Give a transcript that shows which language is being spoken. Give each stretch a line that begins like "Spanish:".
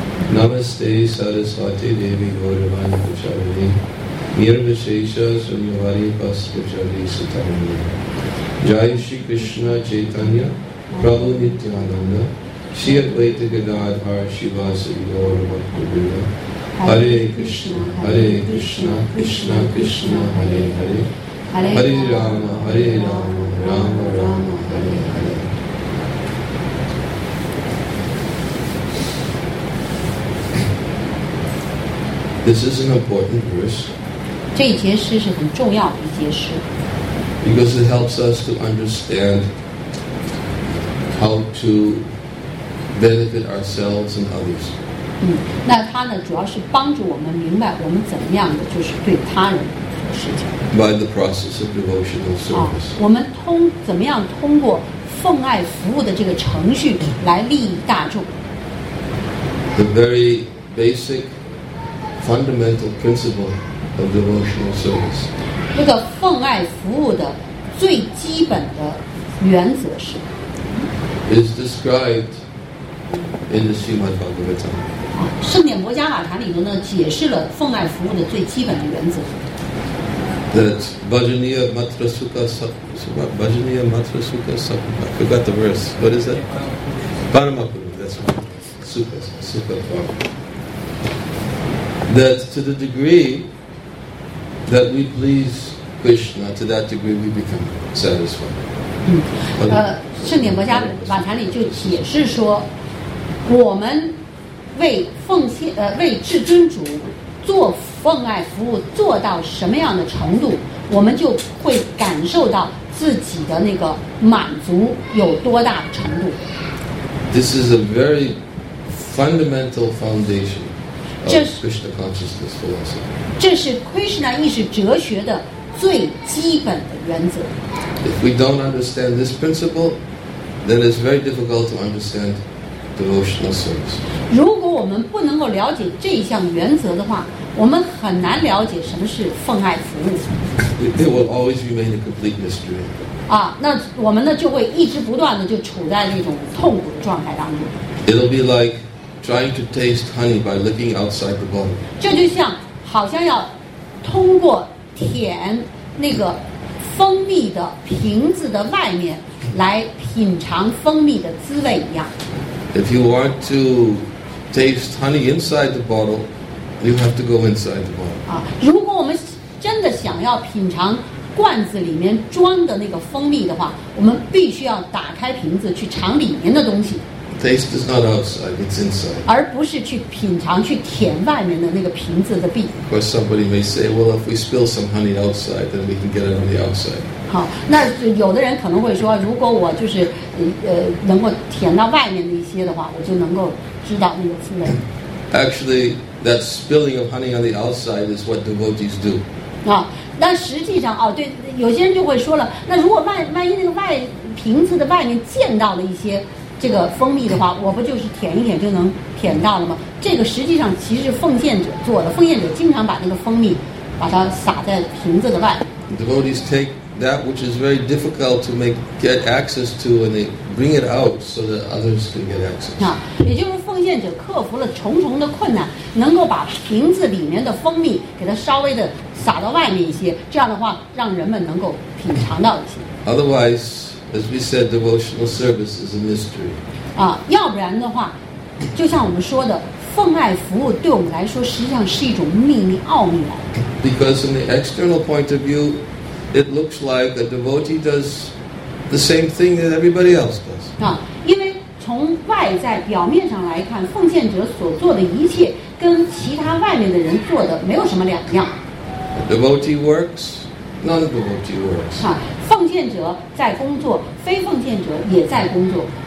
Sanskrit: Namaste Saraswati Devi Gauravani Pacharini Nirvishesha Sunyavari Paspachari Sitarani Jai Shri Krishna Chaitanya Prabhu Nityananda Shri Advaita Gadadhar Shivasi Gauravati Vrinda Hare Krishna Krishna Krishna Hare Hare Hare Rama, Hare Rama, Rama Rama, Hare Hare.
English: This is an important verse.
Chinese: 这一节诗是很重要的一节诗。
English: Because it helps us to understand how to benefit ourselves and others.
Chinese: 那它呢，主要是帮助我们明白我们怎么样的就是对他人。
English: By the process of devotional service.
Chinese: 我们怎么样通过奉爱服务的这个程序来利益大众。
English: The very basic fundamental principle of devotional service.
Chinese: 那个奉爱服务的最基本的原则是。
English: Is described in the Srimad Bhagavatam.
Chinese: 圣典摩迦瓦坛里头呢解释了奉爱服务的最基本的原则。
English: That
Sanskrit: Bhajaniya Matra Sukha Sakha.
English: Bhajaniya Matra Sukha Sakha. I forgot the verse. What is that? Paramakuru. That's right.
Sanskrit: Sukha Sukha Sakha.
English: That to the degree that we please Krishna, to that degree we become satisfied.
Chinese: 圣典摩迦瓦坛里就解释说，我们为奉献为至尊主做奉爱服务做到什么样的程度，我们就会感受到自己的那个满足有多大的程度。
English: This is a very fundamental foundation of Krishna consciousness philosophy.
Chinese: 这是 Krishna 意识哲学的最基本的原则。
English: If we don't understand this principle, then it's very difficult to understand devotional service.
Chinese: 如果我们不能够了解这项原则的话，我们很难了解什么是奉爱服务。
English: It will always remain a complete mystery.
Chinese: 啊，那我们呢就会一直不断的就处在那种痛苦的状态当中。
English: It'll be like trying to taste honey by looking outside the bowl.
Chinese: 这就像好像要通过舔那个蜂蜜的瓶子的外面来品尝蜂蜜的滋味一样。
English: If you want to taste honey inside the bottle, you have to go inside the bottle.
Chinese: 如果我们真的想要品尝罐子里面装的那个蜂蜜的话，我们必须要打开瓶子去尝里面的东西。
English: Taste is not outside; it's inside.
Chinese: 而不是去品尝、去舔外面的那个瓶子的壁。
English: Or somebody may say, "Well, if we spill some honey outside, then we can get it on the outside."
Chinese: 好，那有的人可能会说，如果我就是能够舔到外面的一些的话，我就能够知道那个滋味。
English: Actually, that spilling of honey on the outside is what devotees do.
Chinese: 啊，那实际上哦，对，有些人就会说了，那如果万一那个外瓶子的外面溅到了一些。这个蜂蜜的话，我不就是舔一舔就能舔到了吗？这个实际上其实是奉献者做的。奉献者经常把那个蜂蜜，把它撒在瓶子的外。
English: Devotees take that which is very difficult to make get access to, and they bring it out so that others can get access.
Chinese: 啊，也就是奉献者克服了重重的困难，能够把瓶子里面的蜂蜜给它稍微的撒到外面一些，这样的话让人们能够品尝到一些。
English: Otherwise. As we said, devotional service is a mystery.
Chinese: 啊，要不然的话，就像我们说的，奉爱服务对我们来说实际上是一种秘密奥秘来。
English: Because from the external point of view, it looks like a devotee does the same thing that everybody else does.
Chinese: 啊，因为从外在表面上来看，奉献者所做的一切跟其他外面的人做的没有什么两样。
English: A devotee works, non-devotee works.
Chinese: 啊。奉献者在工作，非奉献者也在工作。